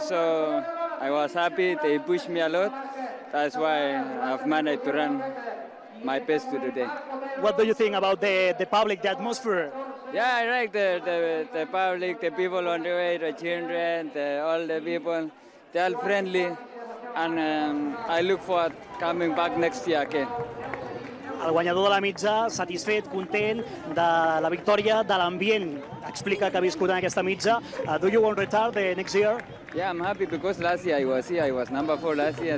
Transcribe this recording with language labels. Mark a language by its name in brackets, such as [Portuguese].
[English] So I was happy. They pushed me a lot. That's why I've managed to run my best today. What do you think about the public, the atmosphere? Yeah, I like the public, the people on the way, the children, all the people. They are friendly, and I look forward to coming back next year again. [Catalan] El guanyador de la mitja, satisfet, content de la victòria, de l'ambient, explica que ha viscut en aquesta mitja. [English] Do you want to retard the next year? Yeah, I'm happy because last year I was here. I was number 4 last year.